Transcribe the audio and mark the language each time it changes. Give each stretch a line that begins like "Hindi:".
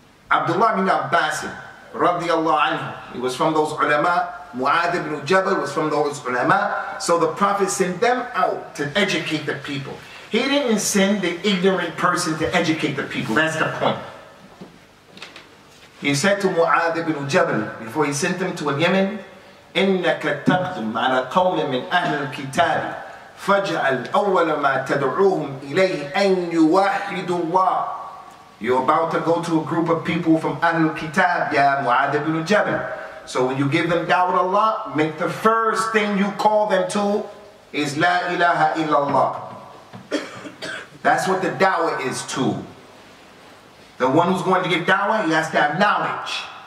English: Abdullah ibn Abbas, radiallahu anhu, he was from those ulama. Mu'adh ibn Jabal was from those ulama. So the Prophet sent them out to educate the people. He didn't send the ignorant person to educate the people. That's the point. He said to Mu'adh ibn Jabal, before he sent them to Yemen,
Arabic: إِنَّكَ تَقْدُمْ عَلَى قَوْمٍ مِّنْ أَهْلِ الْكِتَابِ فَجْعَلْ أَوَّلَ مَا تَدْعُوهُمْ إِلَيْهِ أَنْ يُوَاحِدُ اللَّهِ.
English: You're about to go to a group of people from Ahlul Kitab, ya Mu'adh ibn Jabal. So when you give them da'wah Allah, make the first thing you call them to is La ilaha illallah. That's what the da'wah is to. The one who's going to give da'wah, he has to have knowledge.